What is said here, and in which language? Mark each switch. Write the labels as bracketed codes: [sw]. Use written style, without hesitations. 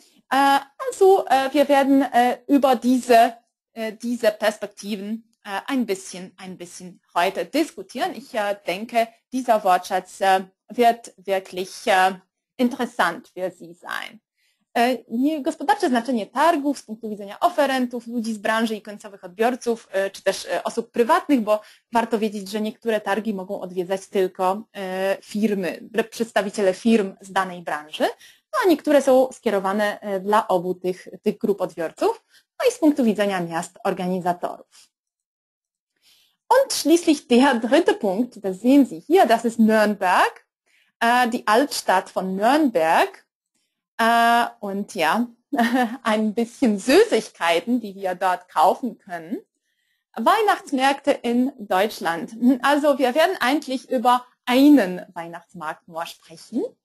[de] Wir werden über diese Perspektiven ein bisschen heute diskutieren. Ich denke, dieser Wortschatz wird wirklich interessant für Sie sein. [pl] Gospodarcze znaczenie targów z punktu widzenia oferentów, ludzi z branży i końcowych odbiorców, czy też osób prywatnych, bo warto wiedzieć, że niektóre targi mogą odwiedzać tylko firmy, przedstawiciele firm z danej branży, a niektóre są skierowane dla obu tych grup odbiorców, no i z punktu widzenia miast organizatorów. [de] Und schließlich der dritte Punkt, das sehen Sie hier, das ist Nürnberg, die Altstadt von Nürnberg. Und ja, ein bisschen Süßigkeiten, die wir dort kaufen können. Weihnachtsmärkte in Deutschland. Also wir werden eigentlich über einen Weihnachtsmarkt nur sprechen.